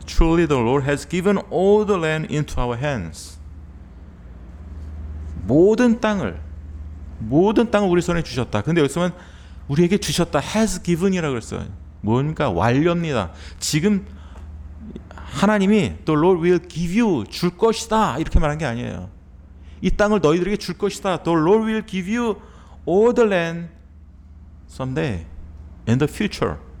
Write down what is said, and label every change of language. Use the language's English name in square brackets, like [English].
[English] Truly the Lord has given all the land into our hands. [Korean] 모든 땅을 우리 손에 주셨다. 근데 여기서는 우리에게 주셨다. [English] has given [Korean] 이라고 그랬어요. 뭔가 완료입니다. 지금 하나님이 [English] the Lord will give you [Korean] 줄 것이다 이렇게 말한 게 아니에요. 이 땅을 너희들에게 줄 것이다. [English] The Lord will give you all the land someday in the future.